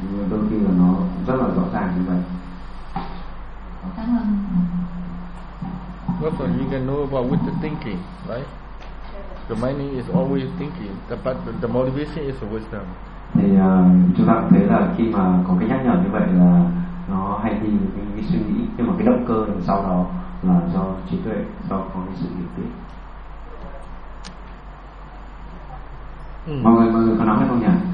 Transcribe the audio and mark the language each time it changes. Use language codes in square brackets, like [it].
[vi] Đôi khi là nó rất là rõ ràng như vậy. Cảm ơn. [en] Also, you can know about with the thinking, right? The mind is always thinking, but the motivation is the wisdom. [vi] Thì chúng ta thấy là khi mà có cái nhắc nhở như vậy là nó hay đi những cái suy nghĩ, nhưng mà cái động cơ đằng sau đó là do trí tuệ, do có cái sự hiểu biết. Mọi người có nói hay không nhỉ?